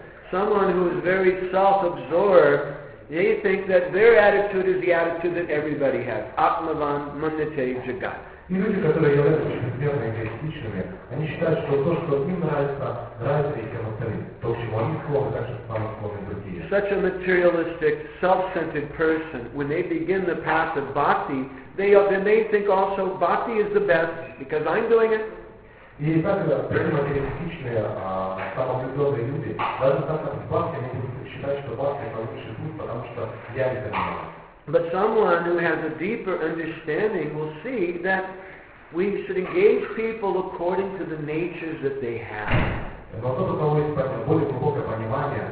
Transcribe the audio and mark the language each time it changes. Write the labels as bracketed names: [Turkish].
[English] Someone who is very self-absorbed, they think that their attitude is the attitude that everybody has. [Sanskrit] Atmavan Mannate Jagat. [Russian] И люди, которые являются чрезмерно эгоистичными, они считают, что то, что им нравится, нравится этим остальным. То, к чему они склонны, так же самым склонны другие. [English] Such a materialistic, self-centered person, when they begin the path of bhakti, they think also, bhakti is the best, because I'm doing it. [Russian] И так, материалистичные, самовлюбленные люди, даже так, как в бхакти, они считают, что бхакти это лучший путь, потому что я это не могу. [English] But someone who has a deeper understanding will see that we should engage people according to the natures that they have. [Russian] Но тот, у кого есть более глубокое понимание,